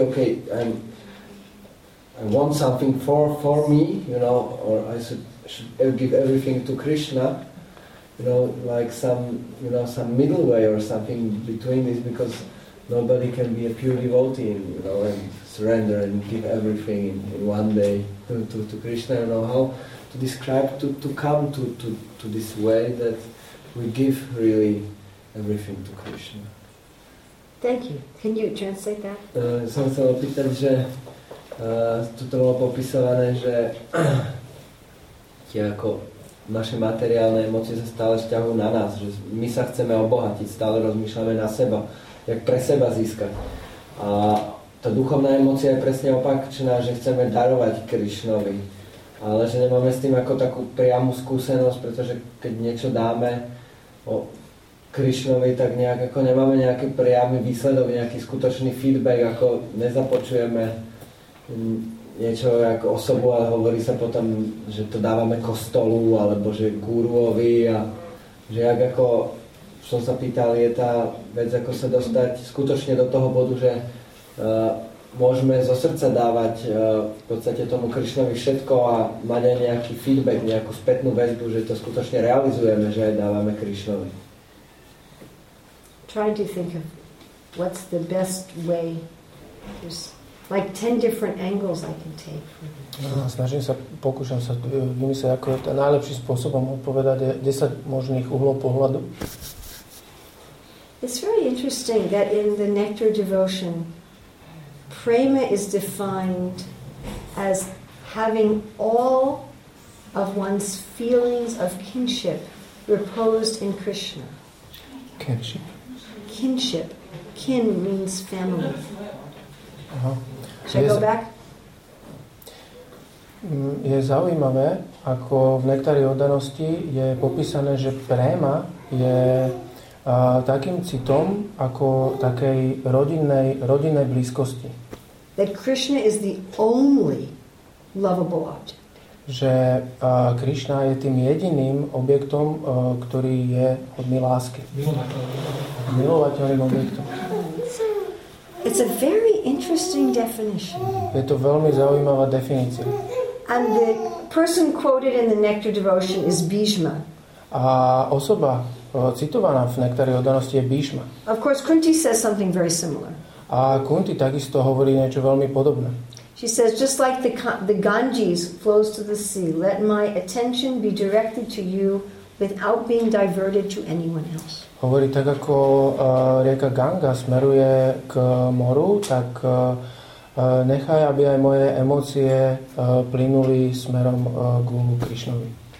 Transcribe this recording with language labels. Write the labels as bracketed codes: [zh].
[en] Okay, I want something for me, you know, or I should give everything to Krishna, you know, like some middle way or something between this, because nobody can be a pure devotee, you know, and surrender and give everything in one day to Krishna. You know how to describe to come to this way that we give really everything to Krishna. Thank you. Can you translate that? [sk] Som chcel opýtať, že toto bolo popisované, že ako naše materiálne emócie sa stále šťahujú na nás, že my sa chceme obohatiť, stále rozmýšľame na seba, jak pre seba získať. A tá duchovná emócia je presne opačná, že chceme darovať Krišnovi, ale že nemáme s tým ako takú priamu skúsenosť, pretože keď niečo dáme Krišnovi, tak nejak ako nemáme nejaký priamy výsledok, nejaký skutočný feedback, ako nezapočujeme niečo ako osobu, ale hovorí sa potom, že to dávame kostolu alebo že guruovi, a že jak ako som sa pýtal, je tá vec, ako sa dostať skutočne do toho bodu, že môžeme zo srdca dávať v podstate tomu Krišnovi všetko a mať aj nejaký feedback, nejakú spätnú väzbu, že to skutočne realizujeme, že aj dávame Krišnovi. [en] Trying to think of what's the best way. There's like 10 different angles I can take. [sk] Pokúšam sa vymyslieť, ako je to najlepším spôsobom odpovedať, 10 možných uhlov pohľadu. [en] It's very interesting that in the nectar devotion, prema is defined as having all of one's feelings of kinship reposed in Krishna. Kinship. Kinship. Kin means family. Uh-huh. Should I go back? [sk] Je zaujímavé, ako v nektári oddanosti je popísané, že prema je takým citom ako takej rodinnej blízkosti. [en] That Krishna is the only lovable object. [sk] Že Krishna je tým jediným objektom, ktorý je hodný lásky. Milovateľným objektom. [en] It's a very interesting definition. [sk] Je to veľmi zaujímavá definícia. [en] And the person quoted in the Nectar Devotion is Bhishma. [sk] A osoba citovaná v Nektári oddanosti je Bhishma. [en] Of course, Kunti says something very similar. [sk] A Kunti takisto hovorí niečo veľmi podobné. [en] She says, just like the Ganges flows to the sea, let my attention be directed to you without being diverted to anyone else. [sk] Hovorí tak, ako rieka Ganga smeruje k moru, tak nechaj, aby aj moje emócie plynuli smerom guru Krishnovi.